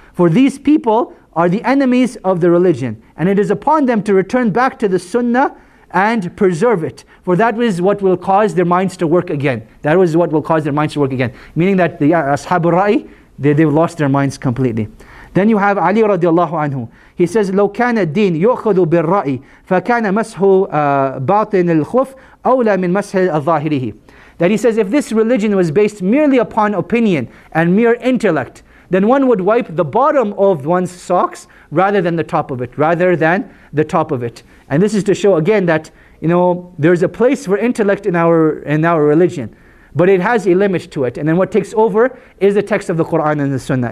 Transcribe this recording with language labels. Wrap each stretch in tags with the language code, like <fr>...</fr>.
<en>For these people are the enemies of the religion, and it is upon them to return back to the Sunnah and preserve it. For that is what will cause their minds to work again. That is what will cause their minds to work again. Meaning that the Ashab al-Ra'i, they've lost their minds completely. Then you have Ali radiallahu anhu. He says,</en> <ar>لو كان الدين يؤخذ بالرأي فكان مسح باطن الخوف أولى من مسح الظاهره.</ar> <en>That he says, if this religion was based merely upon opinion and mere intellect, then one would wipe the bottom of one's socks rather than the top of it. Rather than the top of it. And this is to show again that, you know, there's a place for intellect in our religion, but it has a limit to it. And then what takes over is the text of the Quran and the Sunnah.</en>